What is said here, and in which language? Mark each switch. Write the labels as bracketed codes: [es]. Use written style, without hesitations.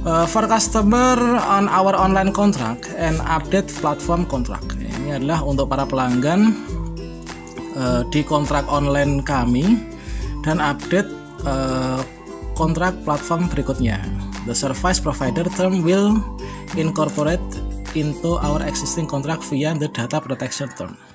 [en] For customer on our online contract and update platform contract. [id] Ini adalah untuk para pelanggan di kontrak online kami dan update kontrak platform berikutnya. [en] The service provider term will incorporate into our existing contract via the data protection term.